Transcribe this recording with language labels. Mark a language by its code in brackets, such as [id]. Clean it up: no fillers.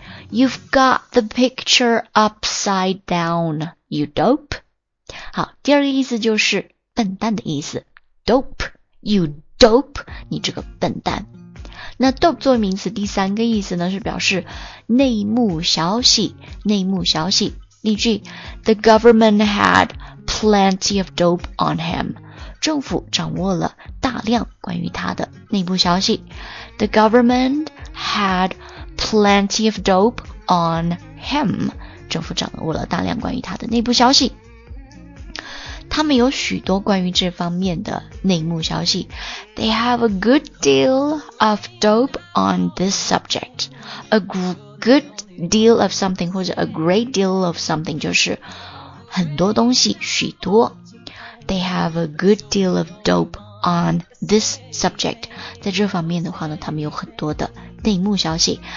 [en] You've got the picture upside down. You dope. [zh] 好，第二个意思就是笨蛋的意思。 [en] Dope. You dope. [zh] 你这个笨蛋。那 dope 作为名词，第三个意思呢，是表示内幕消息，内幕消息。 [en] 例句 The government had plenty of dope on him. [zh] 政府掌握了大量关于他的内部消息。 [en] The government had plenty of dope on him. [zh] 政府掌握了大量关于他的内部消息。他们有许多关于这方面的内幕消息。 [en] They have a good deal of dope on this subject. A good deal of something 或者 a great deal of something [zh] 就是很多东西，许多。 [en] They have a good deal of dope on this subject. [zh] 在这方面的话呢，他们有很多的内幕消息。